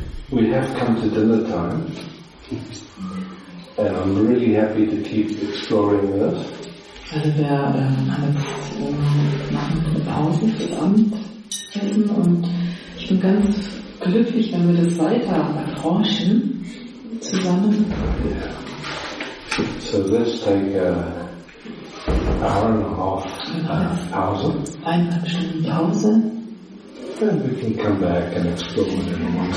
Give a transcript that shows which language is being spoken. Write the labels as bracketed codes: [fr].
[en] We have come to dinner time, and I'm really happy to keep exploring this. [de] Also wir machen eine Pause fürs Abendessen und ich bin ganz glücklich, wenn wir das weiter erforschen zusammen. [en] Yeah. So let's take an hour and a half pause. [de] Eineinhalb Stunden Pause. [en] Then we can come back and explore it in a month.